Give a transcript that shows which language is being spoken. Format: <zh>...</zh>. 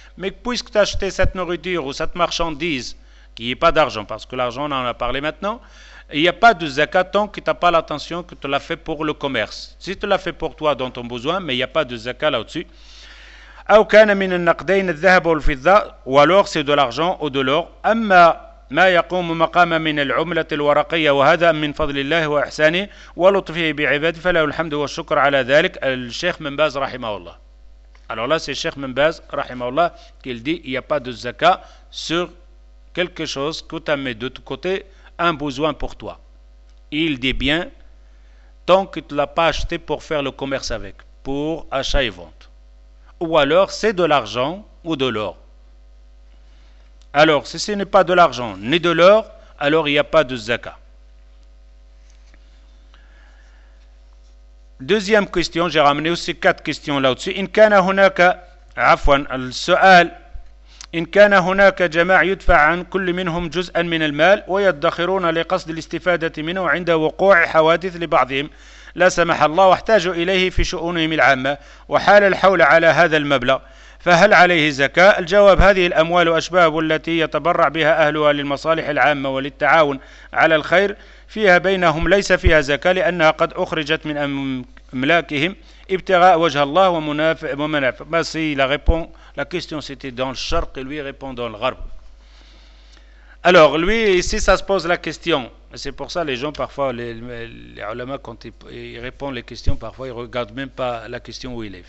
<fr>Mais puisque tu as acheté cette nourriture ou cette marchandise, qui n'est pas d'argent, parce que l'argent, on en a parlé maintenant, il n'y a pas de zakat tant que tu n'as pas l'intention que tu l'as fait pour le commerce. Si tu l'as fait pour toi dans ton besoin, mais il n'y a pas de zakat là-dessus. Ou</fr> <ar>كان من النقدين الذهب والفضة</ar> <fr>ou alors c'est de l'argent ou de l'or.</fr> <ar>أما ما يقوم مقام من العملة الورقية وهذا من فضل الله وإحسانه ولطفه بعباده فله الحمد والشكر على ذلك. الشيخ من باز رحمه الله.</ar> <fr>Alors là c'est le Cheikh من باز رحمه الله qui dit il n'y a pas de zakat sur quelque chose que tu as mis de tout côté. Un besoin pour toi. Il dit bien, tant que tu ne l'as pas acheté pour faire le commerce avec, pour achat et vente. Ou alors, c'est de l'argent ou de l'or. Alors, si ce n'est pas de l'argent ni de l'or, alors il n'y a pas de zakat. Deuxième question, j'ai ramené aussi quatre questions là-dessus.</fr> <ar>In kana hunaka, afwan, al-su'al. إن كان هناك جماع يدفع عن كل منهم جزءا من المال ويدخرون لقصد الاستفادة منه عند وقوع حوادث لبعضهم لا سمح الله واحتاجوا إليه في شؤونهم العامة وحال الحول على هذا المبلغ فهل عليه زكاة؟ الجواب هذه الأموال وأشباب التي يتبرع بها أهلها للمصالح العامة وللتعاون على الخير فيها بينهم ليس فيها زكاة لأنها قد أخرجت من أملاكهم ابتغاء وجه الله ومنافع بسي لغبون.</ar> <fr>La question, c'était dans le Sharq et lui répond dans le Gharb. Alors, lui, ici, ça se pose la question. C'est pour ça que les gens, parfois, les ulama, quand ils répondent les questions, parfois, ils ne regardent même pas la question où il est.</fr>